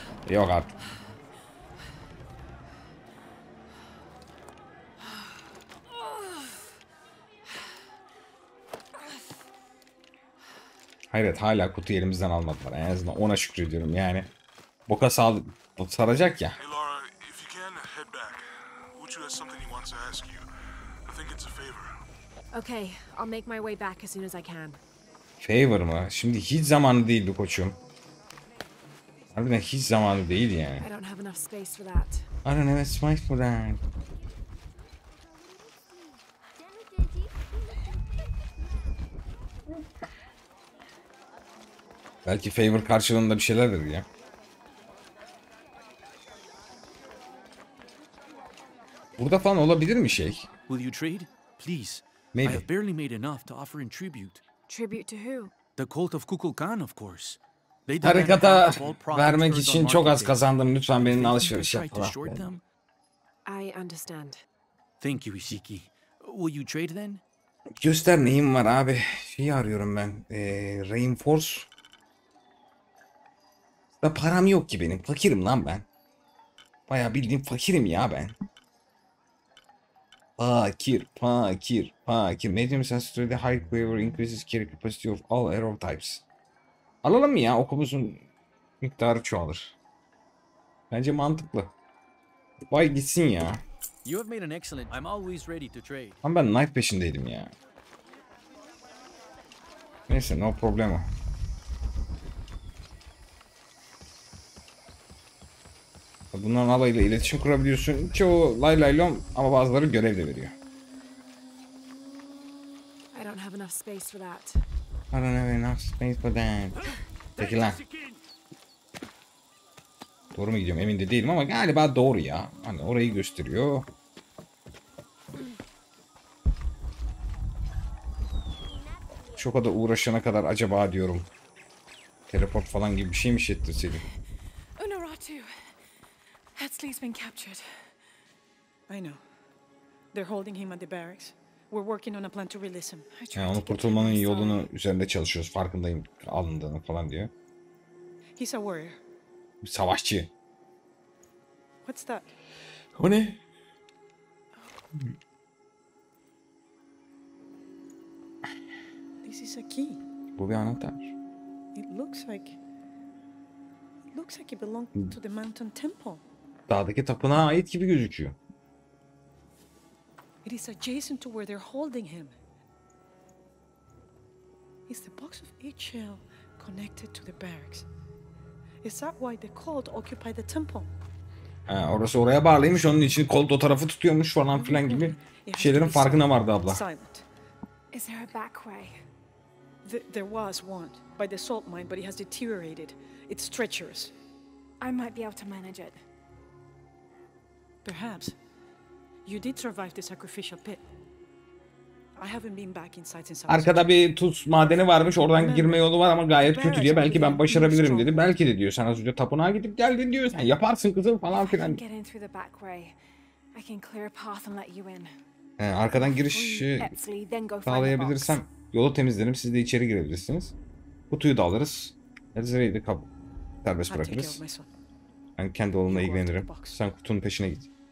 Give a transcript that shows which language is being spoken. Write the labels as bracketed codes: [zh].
[tr] Yok artık. Hayret, hala kutuyu elimizden almadılar. En azından ona şükrediyorum yani. Boka saracak ya. [en] Hey Laura, if you can, head back. Uchu has something he wants to ask you. I think it's a favor. Okay, I'll make my way back as soon as I can. [tr] Favor mı? Şimdi hiç zamanı değildi koçum. Harbiden hiç zamanı değil yani. [en] I don't have enough space for that. I don't have enough space for that. [tr] Belki favor karşılığında bir şeyler dedi ya. Burada falan olabilir mi şey? [en] Will you trade? Please. Maybe. I have barely made enough to offer in tribute. Tribute to who? The cult of Kukulkan, of course. [tr] They harekata vermek için çok az kazandım. Lütfen benimle alışveriş yap. [en] I understand. Thank you, Ishiki. Will you trade then? [tr] Göster neyim var abi. Şeyi arıyorum ben. Reinforce. Ve param yok ki benim. Fakirim lan ben. Bayağı bildiğim fakirim ya ben. Fakir, fakir, fakir. [en] Medium sensitivity, high quiver, increases carry capacity of all arrow types. [tr] Alalım mı ya? Okumuzun miktarı çoğalır. Bence mantıklı. Vay gitsin ya. [en] You have made an excellent. I'm always ready to trade. [tr] Ama ben knife peşindeydim ya. Neyse, no problemo. Bunların alayla iletişim kurabiliyorsun. Çoğu lay lay lom ama bazıları görev de veriyor. [en] I don't have enough space for that. I don't have enough space for that. [tr] Peki lan. Doğru mu gidiyorum emin de değilim ama galiba doğru ya. Hani orayı gösteriyor. Çok da uğraşana kadar acaba diyorum. Teleport falan gibi bir şey mi şettirseydim? [en] Hatsley's been captured. I know. They're holding him at the barracks. We're working on a plan to release him. [tr] Yani onu kurtulmanın yolunu üzerinde çalışıyoruz. Farkındayım alındığını falan diyor. [en] He's a warrior. [tr] Bir savaşçı. [en] What's that? [tr] O ne? [en] This is a key. [tr] Bu bir anahtar. [en] It looks like it belonged to the mountain temple. [tr] Dağdaki tapınağa ait gibi gözüküyor. [en] It is adjacent to where they're holding him. Is the box of each shell connected to the barracks? Is that why the cult occupied the temple? [tr] Ha, orası oraya bağlıymış, onun için cult o tarafı tutuyormuş falan filan gibi şeylerin farkına vardı abla. [en] Silent. Is there a back way? There was one by the salt mine, but it has deteriorated. It's treacherous. I might be able to manage it. Perhaps you did survive the sacrificial pit. I haven't been back inside since. [tr] Arkada bir tuz madeni varmış, oradan girme yolu var ama gayet kötü diye. Belki ben başarabilirim dedi. Belki de diyor, sen az önce tapınağa gidip geldin diyor. Sen yaparsın kızım falan filan. [en] Get in through the back way. I can clear a path and let you in. [tr] Arkadan giriş sağlayabilirsem yolu temizlerim. Siz de içeri girebilirsiniz. Kutuyu da alırız. Ezreyi de serbest bırakırız. Ben kendi oğlumla ilgilenirim. Sen kutunun peşine git.